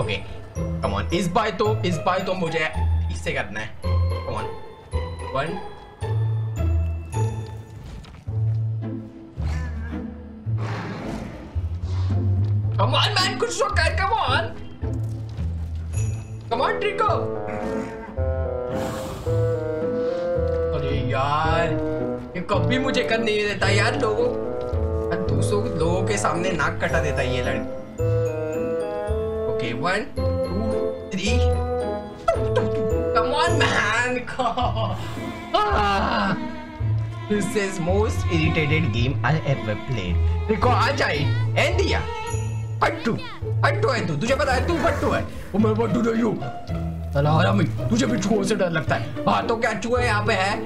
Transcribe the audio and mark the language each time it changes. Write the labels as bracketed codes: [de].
[hi] Okay [en] Come on, [hi] इस बार तो मुझे इससे करना है. [en] Come on, one. Come on, man, [hi] कुछ तो कर. [en] Come on, Trico. [hi] अरे यार, कभी मुझे करने नहीं देता यार लोगों, दूसरों के लोगों के सामने नाक कटा देता ये लड़की। [en] Okay one two three come on man This is most irritated game I ever played. [hi] Rico, आ जाए, end दिया. पट्टू, पट्टू है तू. तुझे पता है तू पट्टू है. [en] Oh my God, dude, you. [hi] साला हरामी. तुझे भी चूहों से डर लगता है. हाँ तो क्या चूहे यहाँ पे है?